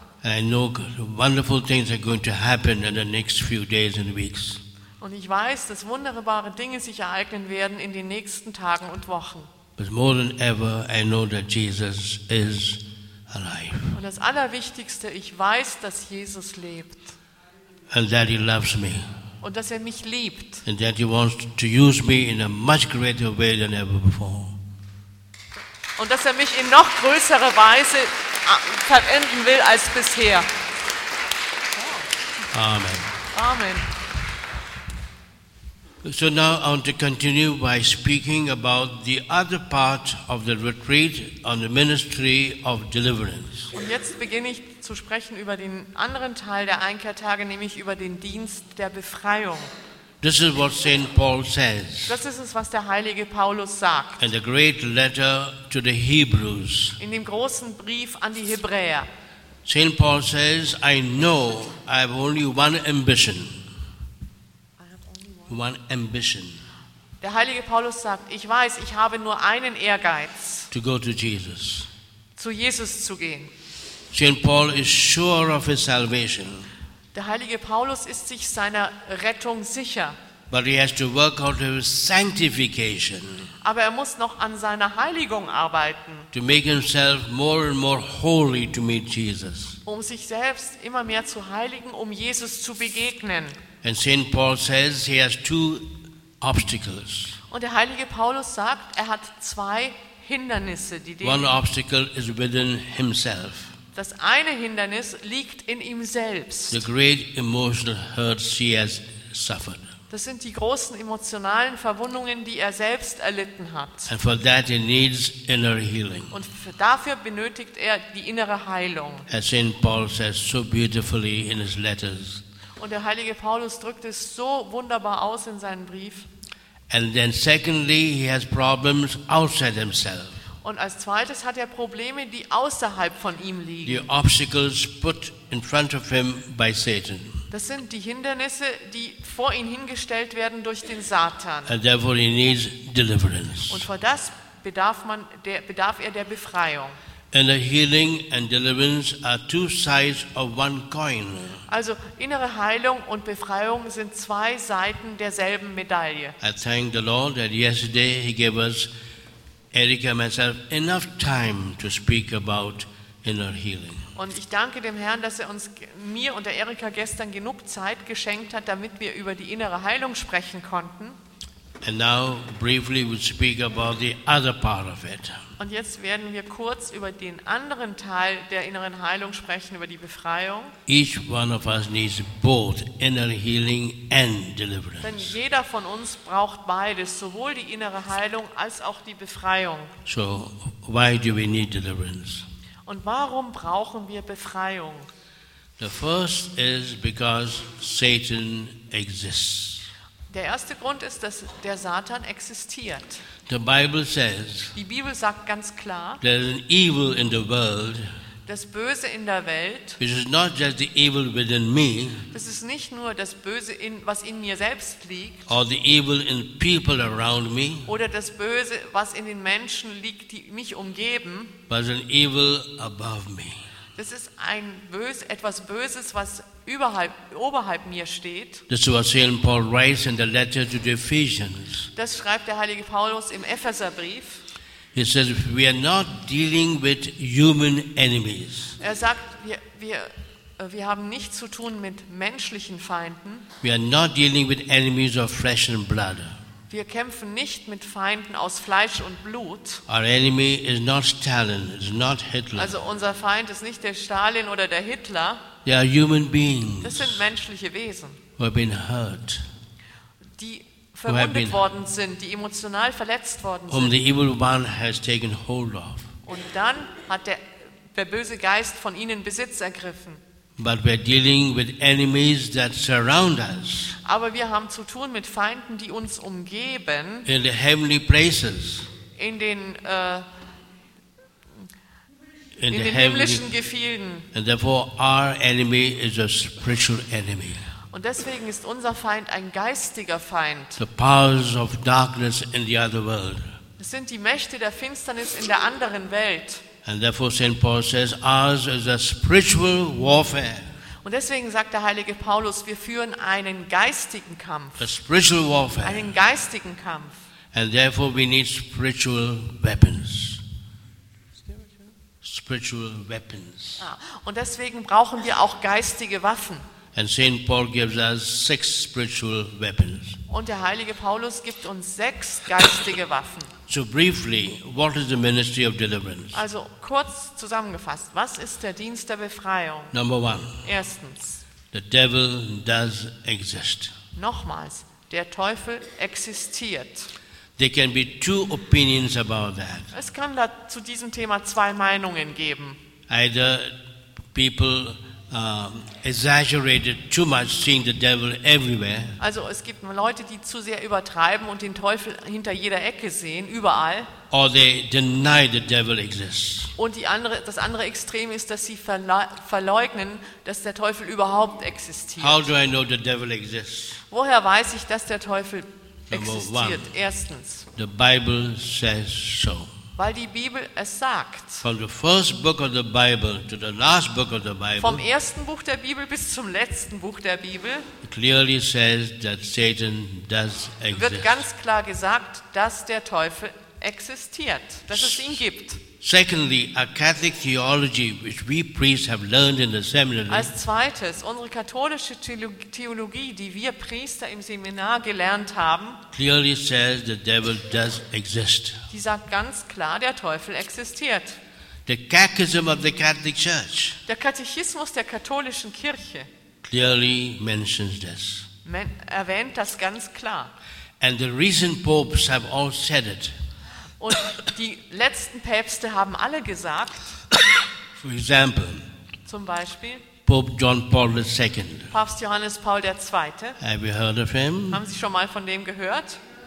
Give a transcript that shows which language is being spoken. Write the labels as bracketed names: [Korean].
[English] And I know wonderful things are going to happen in the next few days and weeks. [German] Und ich weiß, dass wunderbare Dinge sich ereignen werden in den nächsten Tagen und Wochen. [English] But more than ever, I know that Jesus is alive. [German] Und das Allerwichtigste, ich weiß, dass Jesus lebt. [English] And that he loves me. [German] Und dass er mich liebt. [English] And that he wants to use me in a much greater way than ever before. [German] Und dass er mich in noch größere Weise verwenden will als bisher. [English] Amen. [German] Amen. [English] So now I want to continue by speaking about the other part of the retreat on the ministry of deliverance. [German] Und jetzt beginne ich zu sprechen über den anderen Teil der Einkehrtage, nämlich über den Dienst der Befreiung. [English] This is what St. Paul says. [German] Das ist es, was der heilige Paulus sagt. [English] In the great letter to the Hebrews. [German] In dem großen Brief an die Hebräer. [English] St. Paul says, I know I have only one ambition. One ambition. [German] Der heilige Paulus sagt, ich weiß, ich habe nur einen Ehrgeiz. [English] To go to Jesus. [German] Zu Jesus zu gehen. [English] St. Paul is sure of his salvation. [German] Der heilige Paulus ist sich seiner Rettung sicher. [English] But he has to work out his sanctification. [German] Aber er muss noch an seiner Heiligung arbeiten. [English] To make himself more and more holy to meet Jesus. [German] Um sich selbst immer mehr zu heiligen, um Jesus zu begegnen. [English] And St. Paul says he has two obstacles. [German] Und der heilige Paulus sagt, er hat zwei Hindernisse, die [English] den One obstacle is within himself. [German] Das eine Hindernis liegt in ihm selbst. [English] The great emotional hurts he has suffered. [German] Das sind die großen emotionalen Verwundungen, die er selbst erlitten hat. [English] And for that he needs inner healing. [German] Und dafür benötigt er die innere Heilung. [English] As St. Paul says so beautifully in his letters. [German] Und der heilige Paulus drückt es so wunderbar aus in seinem Brief. [English] And then secondly, he has problems outside himself. [German] Und als zweites hat er Probleme, die außerhalb von ihm liegen. [English] The obstacles put in front of him by Satan. [German] Das sind die Hindernisse, die vor ihn hingestellt werden durch den Satan. [English] And therefore he needs deliverance. [German] Und vor das bedarf er der Befreiung. [English] Inner healing and deliverance are two sides of one coin. [German] Also innere Heilung und Befreiung sind zwei Seiten derselben Medaille. [English] I thank the Lord that yesterday he gave us, Erika and myself, enough time to speak about inner healing. [German] Und ich danke dem Herrn, dass er uns, mir und der Erika, gestern genug Zeit geschenkt hat, damit wir über die innere Heilung sprechen konnten. [English] And now briefly we speak about the other part of it. [German] Und jetzt werden wir kurz über den anderen Teil der inneren Heilung sprechen, über die Befreiung. [English] Each one of us needs both inner healing and deliverance. [German] Denn jeder von uns braucht beides, sowohl die innere Heilung als auch die Befreiung. [English] So, why do we need deliverance? [German] Und warum brauchen wir Befreiung? [English] The first is because Satan exists. [German] Der erste Grund ist, dass der Satan existiert. [English] The Bible says, [German] die Bibel sagt ganz klar, [English] there is an evil in the world, [German] das Böse in der Welt, [English] which is not just the evil within me, [German] das ist nicht nur das Böse, was in mir selbst liegt, [English] or the evil in people around me, [German] oder das Böse, was in den Menschen liegt, die mich umgeben, [English] but an evil above me. [German] Das ist ein Böse, etwas Böses, was oberhalb mir steht. [English] This is what St. Paul writes in the letter to the Ephesians. [German] Das schreibt der heilige Paulus im Epheserbrief. [English] He says we are not dealing with human enemies. [German] Er sagt, wir haben nichts zu tun mit menschlichen Feinden. [English] We are not dealing with enemies of flesh and blood. [German] Wir kämpfen nicht mit Feinden aus Fleisch und Blut. [English] Our enemy is not Stalin, is not Hitler. [German] Also unser Feind ist nicht der Stalin oder der Hitler. [English] They are human beings. [German] Das sind menschliche Wesen. [English] Who have been hurt. [German] Die verwundet worden sind, die emotional verletzt worden sind. [English] Whom the evil one has taken hold of. [German] Und dann hat der böse Geist von ihnen Besitz ergriffen. [English] But we're dealing with enemies that surround us. [German] Aber wir haben zu tun mit Feinden, die uns umgeben. [English] In the heavenly places. [German] In den himmlischen Gefilden. [English] And therefore our enemy is a spiritual enemy. [German] Und deswegen ist unser Feind ein geistiger Feind. [English] The powers of darkness in the other world. [German] Es sind die Mächte der Finsternis in der anderen Welt. [English] And therefore St. Paul says ours is a spiritual warfare. [German] Und deswegen sagt der heilige Paulus, wir führen einen geistigen Kampf. [English] A spiritual warfare. [German] Einen geistigen Kampf. [English] And therefore we need spiritual weapons. Spiritual weapons. [German] Und deswegen brauchen wir auch geistige Waffen. [English] And St. Paul gives us six spiritual weapons. [German] Und der heilige Paulus gibt uns sechs geistige Waffen. [English] So briefly, what is the ministry of deliverance? [German] Also kurz zusammengefasst, was ist der Dienst der Befreiung? [English] Number one. [German] Erstens. [English] The devil does exist. [German] Nochmals, der Teufel existiert. [English] There can be two opinions about that. [German] Es kann da zu diesem Thema zwei Meinungen geben. [English] Either people exaggerated too much, seeing the devil everywhere. [German] Also es gibt Leute, die zu sehr übertreiben und den Teufel hinter jeder Ecke sehen, überall. [English] Or they deny the devil exists. [German] Und das andere Extrem ist, dass sie verleugnen, dass der Teufel überhaupt existiert. [English] How do I know the devil exists? [German] Woher weiß ich, dass der Teufel existiert? Erstens. [English] The Bible says so. [German] Weil die Bibel es sagt. [English] From the first book of the Bible to the last book of the Bible. [German] Vom ersten Buch der Bibel bis zum letzten Buch der Bibel. [English] Clearly says that Satan does exist. [German] Wird ganz klar gesagt, dass der Teufel existiert, dass es ihn gibt. [English] Secondly, our Catholic theology, which we priests have learned in the seminary. [German] Als zweites, unsere katholische Theologie, die wir Priester im Seminar gelernt haben. [English] Clearly says the devil does exist. [German] Die sagt ganz klar, der Teufel existiert. [English] The catechism of the Catholic Church. [German] Der Katechismus der katholischen Kirche. [English] Clearly mentions this. [German] Erwähnt das ganz klar. [English] And the recent popes have all said it. [German] Und die letzten Päpste haben alle gesagt, [English] for example, [German] zum Beispiel [English] Pope John Paul II. [German] Papst Johannes Paul II. [English] Have you heard of him? [German] Haben Sie schon mal von dem gehört?